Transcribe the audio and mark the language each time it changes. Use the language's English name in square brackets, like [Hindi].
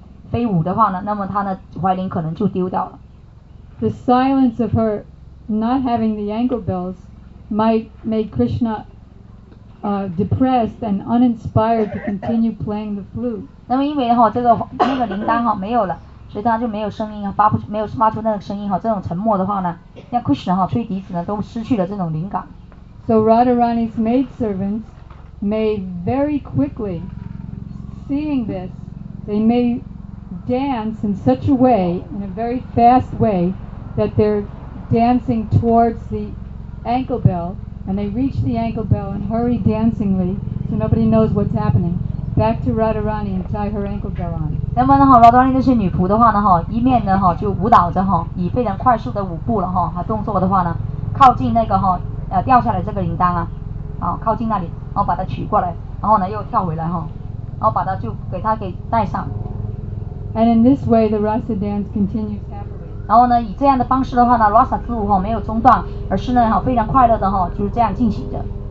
[Chinese] 飞舞的话呢，那么他的怀铃可能就丢掉了。 [English] The silence of her not having the ankle bells might make Krishna depressed and uninspired to continue playing the flute. [Chinese] 那么因为哈、哦、这个那个铃铛哈、哦、没有了，所以他就没有声音，发出那个声音哈、哦。这种沉默的话呢，让 Krishna 哈、哦、吹笛子呢都失去了这种灵感。 [English] So Radharani's maid servants may very quickly seeing this. They may dance in such a way, in a very fast way, that they're dancing towards the ankle bell, and they reach the ankle bell and hurry dancingly, so nobody knows what's happening, back to Radharani and tie her ankle bell on. [Chinese] 那么呢 ，Radharani 那些女仆的话呢，哈，一面呢，哈，就舞蹈着，哈，以非常快速的舞步了，哈，动作的话呢，靠近那个，哈，掉下来这个铃铛啊，啊，靠近那里，然后把它取过来，然后呢，又跳回来，哈。然后把它就给它给带上。 [English] And in this way, the Rasa dance continues happily. [Chinese] 然后呢，以这样的方式的话呢 ，Rasa 之舞哈没有中断，而是呢哈非常快乐的哈就是这样进行着。